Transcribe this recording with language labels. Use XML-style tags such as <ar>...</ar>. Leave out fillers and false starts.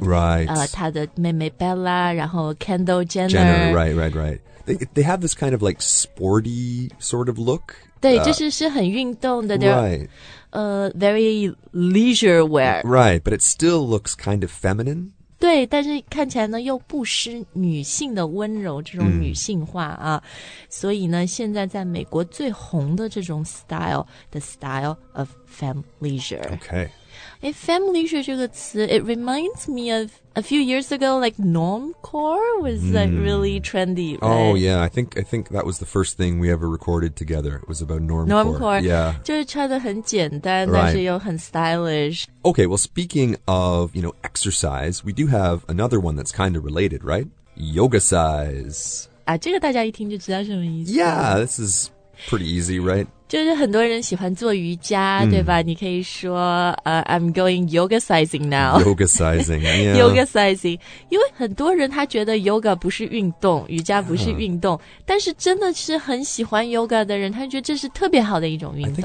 <en>right.</en> <zh>她的妹妹 Bella 然后 Kendall Jenner,</zh> <en>Right. They have this kind of like sporty sort of look.</en> <zh>对、就是是很运动的</zh> <en>Right. Very leisure wear. Right, but it still looks kind of feminine.</en> <zh>对，但是看起来呢又不失女性的温柔，这种女性化啊。所以呢，现在在美国最红的这种 style,</zh> <en>the style of femleisure. Okay. And femleisure</en> <zh>这个词</zh> <en>it reminds me of a few years ago, like normcore was like really trendy, right? Oh, yeah. I think that was the first thing we ever recorded together. It was about normcore. Normcore. Yeah.</en> <zh>就是穿得很简单、right. 但是又很 stylish.</zh> <en>Okay, well, speaking of, you know, exercise, we do have another one that's kind of related, right? Yoga size.</en> <zh>啊，这个大家一听就知道什么意思。</zh> <en>Yeah, this is pretty easy, right?</en> <zh>就是很多人喜欢做瑜伽、对吧你可以说、</zh> <en>I'm going yoga-sizing now. Yoga-sizing, yeah. Yoga-sizing.</en> <zh>因为很多人他觉得 yoga 不是运动瑜伽不是运动、但是真的是很喜欢 yoga 的人他觉得这是特别好的一种运动、</zh>